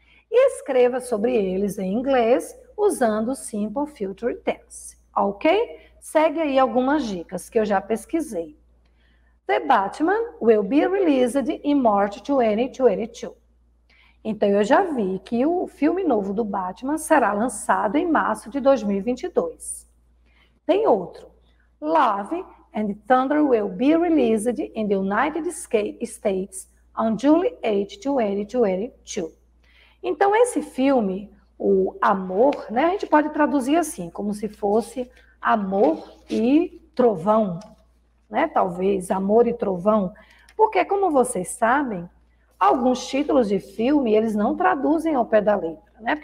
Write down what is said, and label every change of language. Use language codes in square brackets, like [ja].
[pt] E escreva sobre eles em inglês usando o Simple Future Tense, ok? Segue aí algumas dicas que eu já pesquisei. [en] The Batman will be released in March 2022. [pt] Então eu já vi que o filme novo do Batman será lançado em março de 2022. Tem outro. [en] Love and Thunder will be released in the United States on July 8, 2022. [pt] Então esse filme, o amor, né, a gente pode traduzir assim, como se fosse amor e trovão, né? Talvez amor e trovão, porque como vocês sabem, alguns títulos de filme eles não traduzem ao pé da letra, né?